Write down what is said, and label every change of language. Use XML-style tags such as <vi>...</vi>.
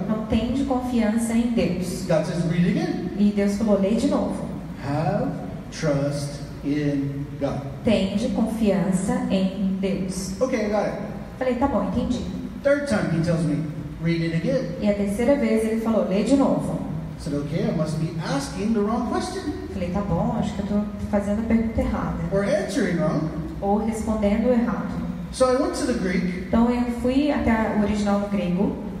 <pt>Então tende confiança em Deus.</pt> <en>God says, read it again.</en> <pt>E Deus falou, lê de novo.</pt> <en>Have trust in God.</en> <pt>Tende confiança em Deus.</pt> <en>Okay, I got it.</en> <pt>Falei, tá bom, entendi.</pt> <en>Third time he tells me, read it again.</en> <pt>E a terceira vez ele falou, lê de novo.</pt> <en>Said, okay, I must be asking the wrong question.</en> <pt>Falei, tá bom, acho que eu tô fazendo a pergunta errada.</pt> <en>Or answering wrong.</en> <pt>Ou respondendo errado.</pt> <en>So I went to the Greek.</en> <pt>Então eu fui até o original do grego.</pt>